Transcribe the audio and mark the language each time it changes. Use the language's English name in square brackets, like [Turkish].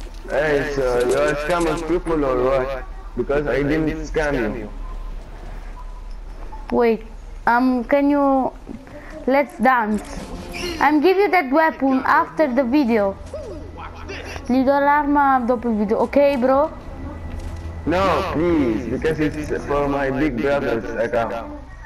[English] Hey, so you're scamming people or what? Because I didn't scam you. Wait, can you... Let's dance. I'm giving you that weapon after the video. [Italian] Gli do l'arma dopo il video, okay, bro? [English] No, please, because it's for my big brother's account.